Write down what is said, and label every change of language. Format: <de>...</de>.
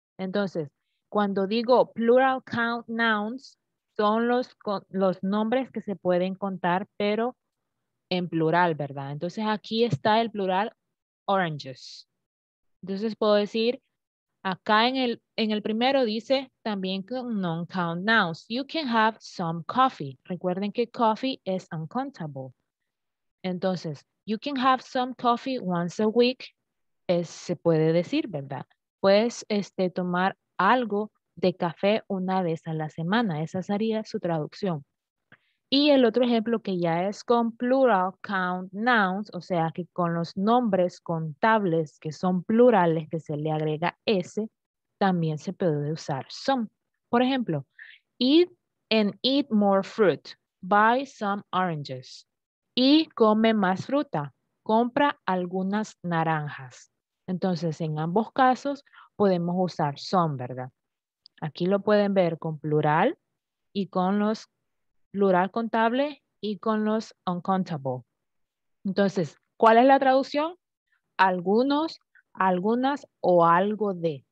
<es>Entonces, cuando digo plural count nouns, son los nombres que se pueden contar, pero en plural, ¿verdad? Entonces, aquí está el plural oranges. Entonces, puedo decir, acá en el primero dice también con non-count nouns.</es> <en>You can have some coffee.</en> <es>Recuerden que coffee es uncountable. Entonces,</es> <en>you can have some coffee once a week.</en> <es>Se puede decir, ¿verdad? Puedes tomar algo de café una vez a la semana. Esa sería su traducción. Y el otro ejemplo que ya es con plural count nouns, o sea que con los nombres contables que son plurales que se le agrega S, también se puede usar some. Por ejemplo,</es> <en>eat and eat more fruit, buy some oranges.</en> <es>Y come más fruta, compra algunas naranjas. Entonces, en ambos casos podemos usar some, ¿verdad? Aquí lo pueden ver con plural y con los plural contable y con los uncountable. Entonces, ¿cuál es la traducción? Algunos, algunas o algo de.</es>